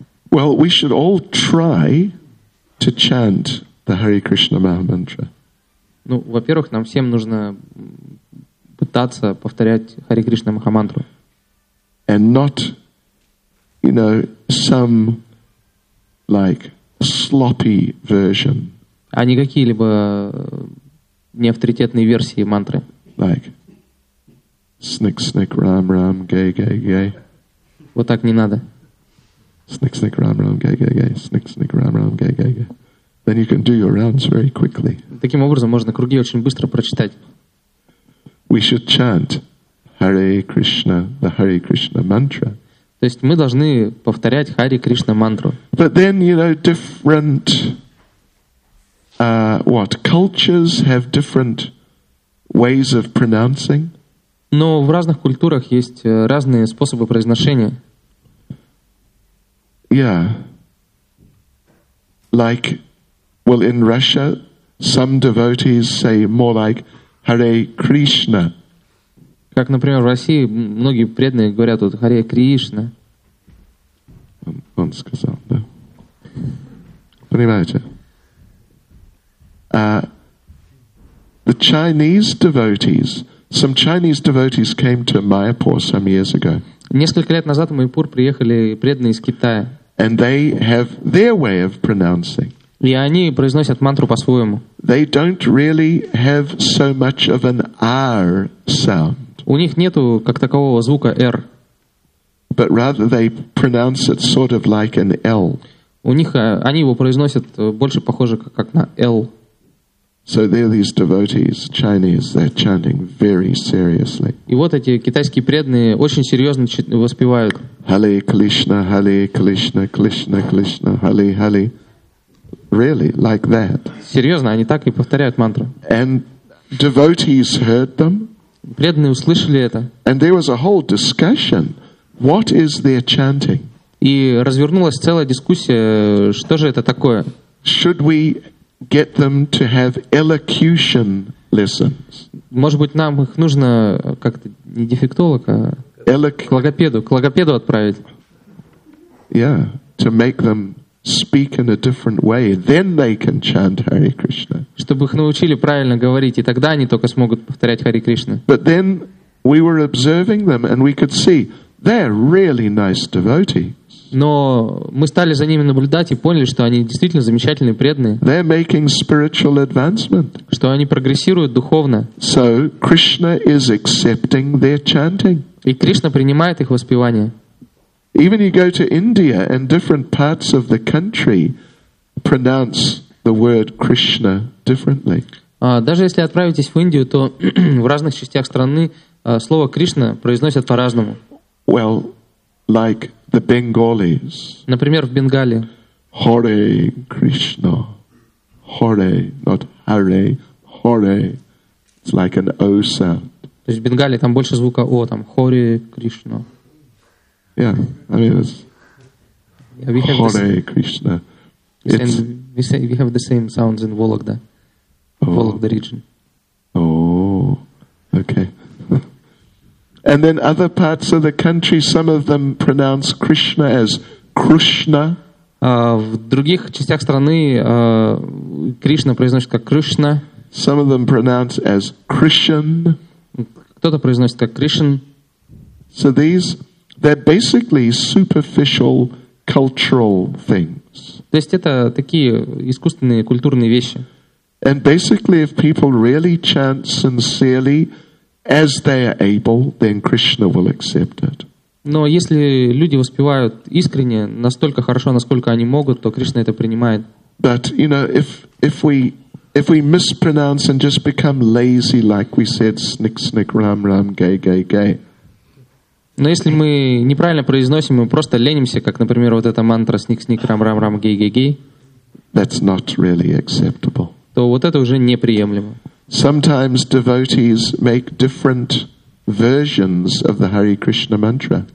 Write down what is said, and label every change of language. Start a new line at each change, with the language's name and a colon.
English: Well, we should all try to chant the Hare Krishna Mahamantra.
Russian: Ну, во-первых, нам всем нужно пытаться повторять Харе Кришна Махамантру.
English: And not, you know, some like sloppy version.
Russian: А не какие-либо неавторитетные версии мантры.
English: Like snick snick ram ram gay gay gay.
Russian: Вот так не надо.
English: Snick snick ram ram gay gay gay. Snick snick ram ram gay gay gay. Then you can do your rounds very quickly.
Russian: Таким образом можно круги очень быстро прочитать.
English: We should chant Hare Krishna, the Hare Krishna mantra.
Russian: То есть мы должны повторять Харе Кришна мантру.
English: But then, you know, different what cultures have different ways of pronouncing.
Russian: Но в разных культурах есть разные способы произношения.
English: Yeah. Like, well, in Russia, some devotees say more like Hare Krishna.
Russian: Как, например, в России многие преданные говорят вот Харе Кришна. Он сказал, да. Понимаете?
English: The Chinese devotees, some Chinese devotees came to Mayapur some years ago.
Russian: Несколько лет назад в Майпур приехали преданные из Китая.
English: And they have their way of pronouncing.
Russian: И они произносят мантру по-своему.
English: They don't really have so much of an R sound.
Russian: У них нету как такового звука R.
English: But rather they pronounce it sort of like an L.
Russian: У них они его произносят больше похоже как на L.
English: So there are these devotees, Chinese, they're chanting very seriously.
Russian: И вот эти китайские преданные очень серьезно воспевают.
Sanskrit: Hare Krishna, Hare Krishna, Krishna Krishna, Hare Hare.
English: Really, like that.
Russian: Серьезно, они так и повторяют мантру.
English: And devotees heard them.
Russian: Преданные услышали это.
English: And there was a whole discussion. What is their chanting?
Russian: И развернулась целая дискуссия, что же это такое?
English: Should we get them to have elocution lessons?
Russian: Может быть, нам их нужно как-то не дефектолог, а к логопеду отправить?
English: Yeah, to make them speak in a different way, then they can chant Hare Krishna.
Russian: Чтобы их научили правильно говорить, и тогда они только смогут повторять Харе Кришна.
English: But then we were observing them, and we could see they're really nice devotees.
Russian: Но мы стали за ними наблюдать и поняли, что они действительно замечательные преданные.
English: They're making spiritual advancement.
Russian: Что они прогрессируют духовно.
English: So Krishna is accepting their chanting.
Russian: И Кришна принимает их воспевание.
English: Even you go to India and different parts of the country pronounce the word Krishna differently.
Russian: Даже если отправитесь в Индию, то в разных частях страны слово Кришна произносят по-разному.
English: Well, like the Bengalis.
Russian: Например, в Бенгале.
English: Hare Krishna. Hare, not Hare. Hare. It's like an O sound.
Russian: То есть в Бенгале там больше звука О, там Hare Krishna.
English: Yeah, I mean, it's Hare Krishna. We have the same sounds in Vologda, Vologda region. Oh, okay. And then other parts of the country, some of them pronounce Krishna as Krushna.
Russian: В других частях страны Кришна произносит как Krushna.
English: Some of them pronounce as Krishan.
Russian: Кто-то произносит как Krishan.
English: So these, they're basically superficial cultural things.
Russian: То есть это такие искусственные культурные вещи.
English: And basically, if people really chant sincerely as they are able, then Krishna will accept it.
Russian: Но если люди воспевают искренне, настолько хорошо, насколько они могут, то Кришна это принимает.
English: But you know, if we mispronounce and just become lazy, like we said, snick snick ram ram gay gay gay.
Russian: Но если мы неправильно произносим, мы просто ленимся, как, например, вот эта мантра «Сник-сник, рам-рам-рам, гей-гей-гей»,
English: that's not really acceptable.
Russian: То вот это уже неприемлемо.
English: Sometimes devotees make different versions of the Hare Krishna mantra.